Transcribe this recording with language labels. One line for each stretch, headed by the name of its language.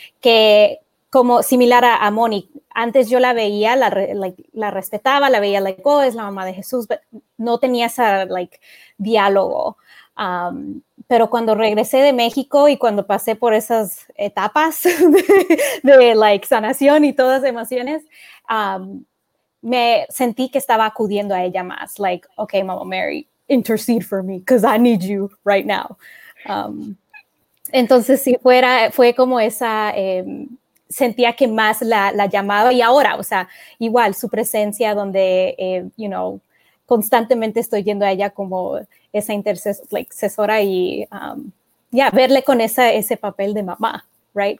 Spanish: Que como similar a Moni, antes yo la veía, la respetaba, la veía like, oh, es la mamá de Jesús, pero no tenía ese like, diálogo. Pero cuando regresé de México y cuando pasé por esas etapas de like, sanación y todas las emociones, me sentí que estaba acudiendo a ella más.
English: Like, okay, Mama Mary, intercede for me because I need you right now.
Spanish: Entonces, si fuera, fue como esa, sentía que más la llamaba. Y ahora, o sea, igual, su presencia donde,
English: you know,
Spanish: constantemente estoy yendo a ella como esa intercesora y verle con ese papel de mamá. right?